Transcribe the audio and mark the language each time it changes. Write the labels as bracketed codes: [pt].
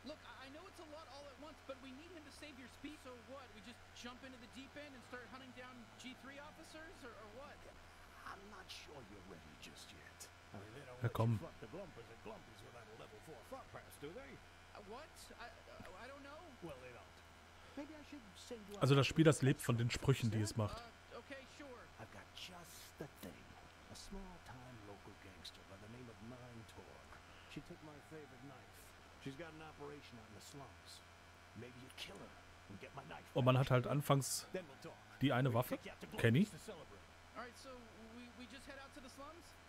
[en] Look, I know it's a lot all at once, but we need him to save your speech. So what? We just jump into the deep end and start hunting down G3 officers, or what? I'm not sure you're ready just yet. I mean, they don't let you fuck the glumpers at glumpers without a level 4 thought pass, do they? What? I don't know. Well, they don't. Maybe I should send you... [de] Also das Spiel, das lebt von den Sprüchen, die es macht. [en] Okay, sure. I've got just the thing. A small-time local gangster by the name of Mind Torg. She took my favorite knife. She's got an operation out in the slums. Maybe you kill her. [de] Und man hat halt anfangs die eine Waffe, Kenny. [en] Alright, so we just head out to the slums?